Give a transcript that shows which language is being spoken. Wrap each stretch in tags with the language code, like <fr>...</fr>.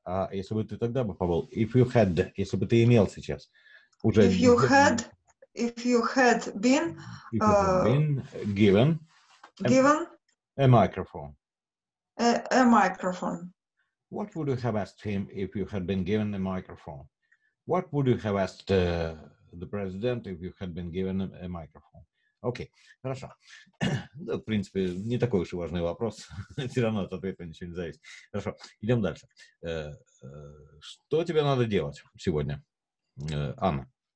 <ru>А если бы ты тогда бы побыл,</ru> <en>if you had,</en> <ru>если бы ты имел сейчас. Уже</ru> <en>if you given, had, if you had been, been given. Given a microphone. A microphone. What would you have asked him if you had been given a microphone? What would you have asked the president if you had been given a microphone?</en> <ru>Окей, хорошо. Да, в принципе, не такой уж и важный вопрос. Все равно от ответа ничего не зависит. Хорошо, идем дальше. Что тебе надо делать сегодня, Анна?</ru>